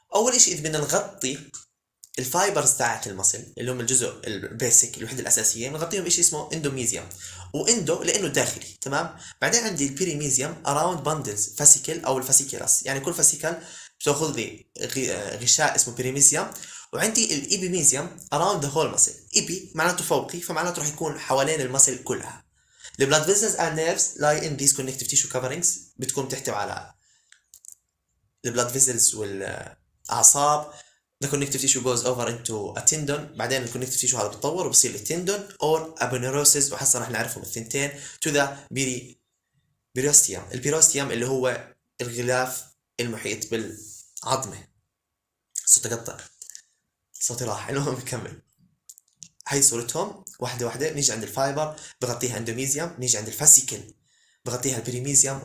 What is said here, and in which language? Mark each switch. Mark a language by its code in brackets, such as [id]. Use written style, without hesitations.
[ar] اول شيء اذا بدنا نغطي الفايبرز تاعت المسل اللي هم الجزء البيسك الوحده الاساسيه بنغطيهم بشيء اسمه اندوميزيوم واندو لانه داخلي تمام. بعدين عندي البريميزيوم اراوند باندلز فاسيكل او الفاسيكلس يعني كل فاسيكل بتاخذ لي غشاء اسمه بريميزيوم وعندي الايبيميزيوم اراوند ذا هول مسل. ايبي معناته فوقي فمعناته راح يكون حوالين المسل كلها. [en] The blood vessels and nerves lie in these connective tissue coverings. [ar] بتكون تحتوي على [en] the blood vessels [ar] والأعصاب. [en] The connective tissue goes over into a tendon. [ar] بعدين [en] the connective tissue [ar] هذا بتطور وبصير [en] the tendon or aponeurosis. [ar] وحسنا رح نعرفهم الثنتين. [en] To the periosteum. [ar] البيروستيوم اللي هو الغلاف المحيط بالعظمة. صوت قطع. صوتي راح. المهم نكمل. هاي صورتهم واحدة واحدة. نيجي عند الفايبر بغطيها اندوميزيوم. نيجي عند الفاسيكل بغطيها البريميزيوم.